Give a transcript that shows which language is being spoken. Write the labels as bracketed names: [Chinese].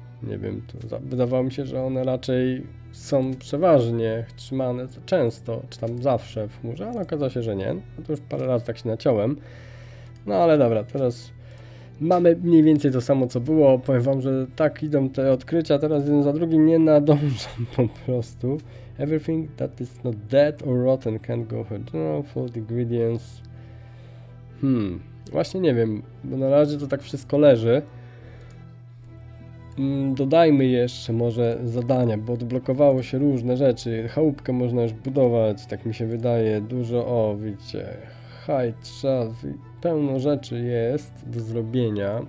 [Polish] Nie wiem, to wydawało mi się, że one raczej są przeważnie trzymane często, czy tam zawsze w chmurze, ale okazało się, że nie. A to już parę razy tak się naciąłem. No ale dobra, teraz mamy mniej więcej to samo, co było. Powiem wam, że tak idą te odkrycia teraz jeden za drugim, nie nadążam po prostu. [English] Everything that is not dead or rotten can go for general food ingredients. [Polish] Właśnie nie wiem, bo na razie to tak wszystko leży. Dodajmy jeszcze może zadania, bo odblokowało się różne rzeczy. Chałupkę można już budować, tak mi się wydaje. Dużo, o widzicie, hajt, szaf, pełno rzeczy jest do zrobienia.